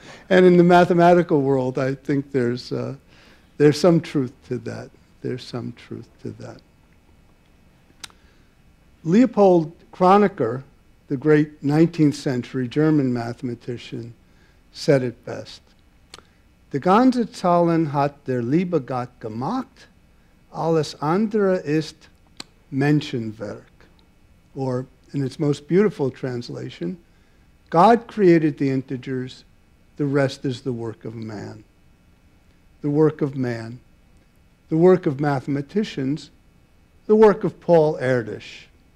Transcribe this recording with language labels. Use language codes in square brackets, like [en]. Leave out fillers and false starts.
[en] And in the mathematical world, I think there's some truth to that. There's some truth to that. Leopold Kronecker, the great 19th century German mathematician, said it best. [de] Die ganze Zahlen hat der liebe Gott gemacht, alles andere ist Menschenwerk. [en] Or, in its most beautiful translation, God created the integers, the rest is the work of man. The work of man, the work of mathematicians, the work of Paul Erdős.